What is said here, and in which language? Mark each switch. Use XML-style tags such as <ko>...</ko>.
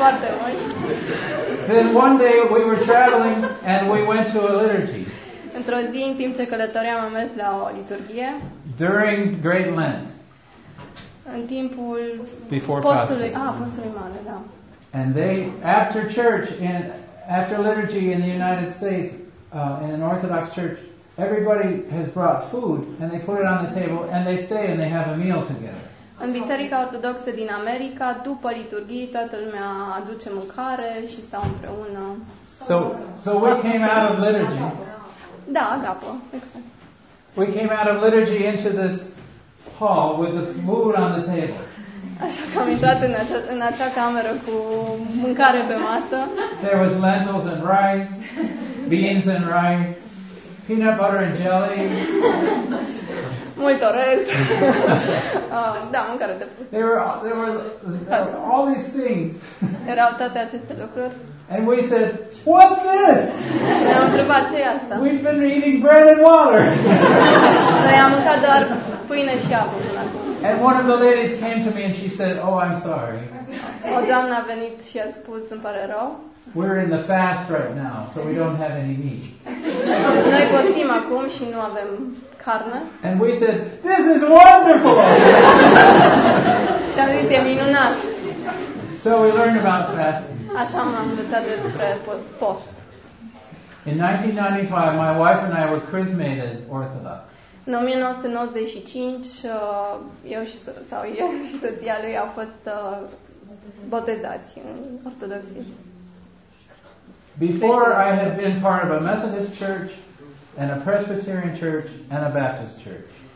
<en>Then one day we were traveling and we went to a liturgy.</en> <ro>Într-o zi, în timp ce călătoream, am mers la o liturghie.</ro> <en>During Great Lent.</en> <ro>În timpul</ro> <en>Before</en> <ro>postului, postului mare, da.</ro> <en>And they, after church, after liturgy in the United States, in an Orthodox church, everybody has brought food and they put it on the table and they stay and they have a meal together.</en> <ro>În Biserica Ortodoxă din America, după liturghii, toată lumea aduce mâncare și stau împreună.</ro> <en>So we came out of liturgy.</en> <ro>Da, agapă, exact.</ro> <en>We came out of liturgy into this hall with the food on the table.</en> <ro>Așa că am intrat în acea cameră cu mâncare pe masă.</ro> <en>There was lentils and rice, beans and rice, peanut butter and jelly.</en> <ro>Mult orez. Da, mâncare de pus.</ro> <en>There were all these things.</en> <ro>Erau toate aceste lucruri.</ro> <en>And we said, what's this?</en> <ro>Și ne-am întrebat ce e asta.</ro> <en>We've been eating bread and water.</en> <ro>Noi am mâncat doar pâine și apă.</ro> <en>And one of the ladies came to me and she said, oh, I'm sorry.</en> <ro>O doamnă a venit și a spus, îmi pare rău.</ro> <en>We're in the fast right now, so we don't have any meat.</en> <ro>Noi postim acum și nu avem carne.</ro> <en>And we said, this is wonderful!</en> <ro>Și am zis, e minunat.</ro> <en>So we learned about fasting.</en> <ro>Așa am învățat despre post.</ro> <en>In 1995, my wife and I were chrismated Orthodox.</en> <ro>În 1995, eu și soția lui au fost botezați în Ortodoxie.</ro> <en>Before I had been part of a Methodist church and a Presbyterian church and a Baptist church.</en>